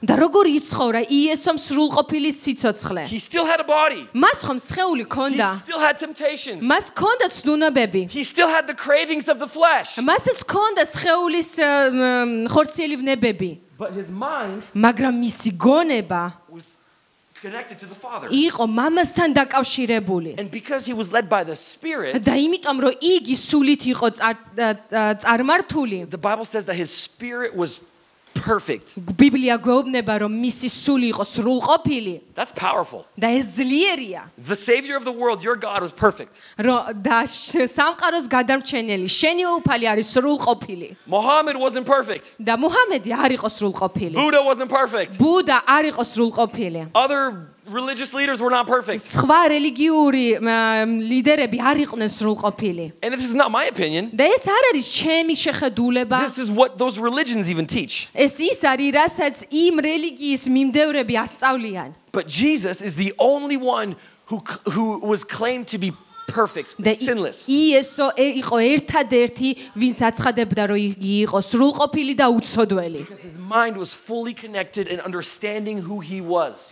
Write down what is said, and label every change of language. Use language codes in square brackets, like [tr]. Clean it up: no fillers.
[ka] და როგორ იცხოვრა იესო სრულყოფილი სიცოცხლე? [en] He still had a body. [ka] მას ხომ სხეული ჰქონდა? [en] He still had temptations. [ka] მას ჰქონდა ცნუნებები. [en] He still had the cravings of the flesh. [ka] მასაც ჰქონდა სხეულის ხორციელი ვნებები. [en] But his mind [ka] მაგრამ მისი გონება [en] was connected to the Father. [ka] იყო მამასთან დაკავშირებული. [en] And because he was led by the Spirit. [ka] და იმიტომ რომ იგი სულით იყო წარმართული. [en] The Bible says that his spirit was perfect. [ka] ბიბლია გვეუბნება რომ მისი სული იყო სრულყოფილი. [en] That's powerful. [ka] და ეს ძლიერია. [en] The savior of the world, your God was perfect. [ka] რო და სამყაროს გადამჩენელი, შენი უფალი არის სრულყოფილი. [en] Muhammad wasn't perfect. [ka] და მუჰამედი არ იყო სრულყოფილი. [en] Buddha wasn't perfect. [ka] ბუდა არ იყო სრულყოფილი. [en] Other religious leaders were not perfect. [ka] სხვა რელიგიური ლიდერები არ იყვნენ სრულყოფილი. [en] And this is not my opinion. [ka] და ეს არ არის ჩემი შეხედულება. [en] This is what those religions even teach. [ka] ეს ის არის, რასაც იმ რელიგიის მიმდევრები ასწავლიან. [en] But Jesus is the only one who was claimed to be perfect, sinless. [ka] იესო იყო ერთადერთი, ვინც აცხადებდა რომ იგი იყო სრულყოფილი და უცოდველი. [en] His mind was fully connected and understanding who he was.